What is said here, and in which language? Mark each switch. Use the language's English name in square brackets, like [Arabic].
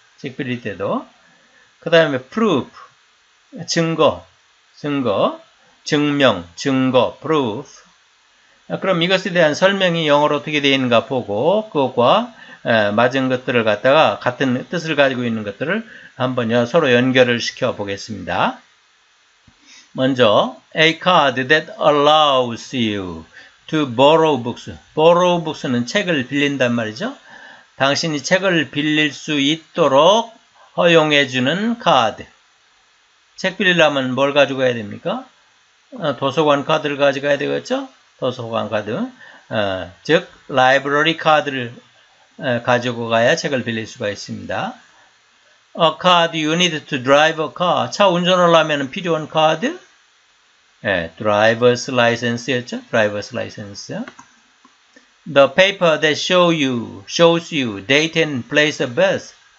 [Korean] 책 빌릴 때도. 그 다음에 proof. 증거. 증거. 증명. 증거. proof. 그럼 이것에 대한 설명이 영어로 어떻게 되어 있는가 보고 그것과 맞은 것들을 갖다가 같은 뜻을 가지고 있는 것들을 한번 서로 연결을 시켜 보겠습니다. 먼저 [English] a card that allows you to borrow books. borrow books [Korean] 는 책을 빌린단 말이죠. 당신이 책을 빌릴 수 있도록 허용해 주는 카드. 책 빌리려면 뭘 가지고 가야 됩니까? 도서관 카드를 가져가야 되겠죠? 도서관 카드. 즉 library 카드를 가지고 가야 책을 빌릴 수가 있습니다. [English] A card you need to drive a car. [Korean] 차 운전하려면 필요한 카드. [English] 예, driver's license였죠? driver's license. The paper that shows you date and place of birth.